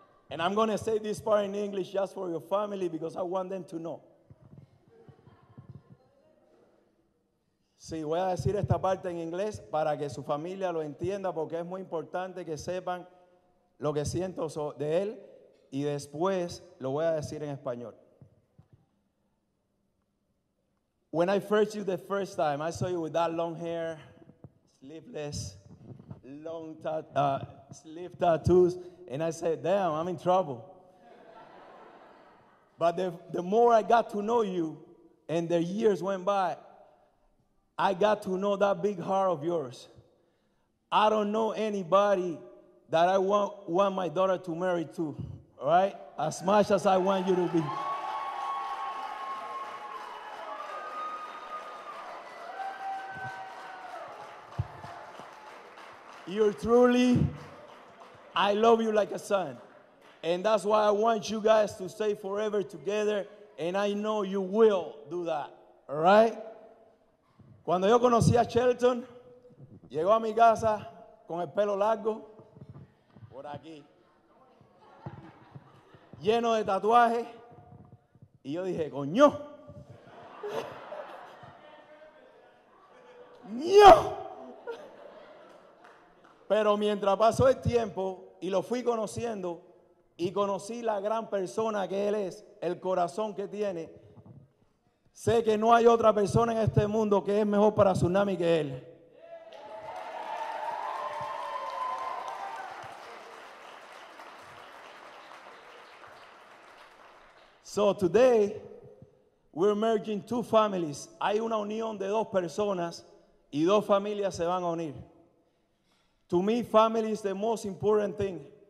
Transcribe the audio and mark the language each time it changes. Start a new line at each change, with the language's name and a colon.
English: And I'm going to say this part in English just for your family because I want them to know.
Spanish: Sí, voy a decir esta parte en inglés para que su familia lo entienda porque es muy importante que sepan lo que siento de él y después lo voy a decir en español.
English: When I first saw you the first time, I saw you with that long hair, sleeveless, long sleeve tattoos, and I said, damn, I'm in trouble. But the more I got to know you, and the years went by, I got to know that big heart of yours. I don't know anybody that I want my daughter to marry to, all right? As much as I want you to be. You're truly, I love you like a son. And that's why I want you guys to stay forever together. And I know you will do that. All right?
Spanish: Cuando yo conocí a Shelton, llegó a mi casa con el pelo largo, por aquí, lleno de tatuaje. Y yo dije, coño. ¡Nio! Pero mientras pasó el tiempo y lo fui conociendo y conocí la gran persona que él es, el corazón que tiene, sé que no hay otra persona en este mundo que es mejor para Tsunami que él.
English: So today, We're merging two families.
Spanish: Hay una unión de dos personas y dos familias se van a unir.
English: To me, family is the most important thing.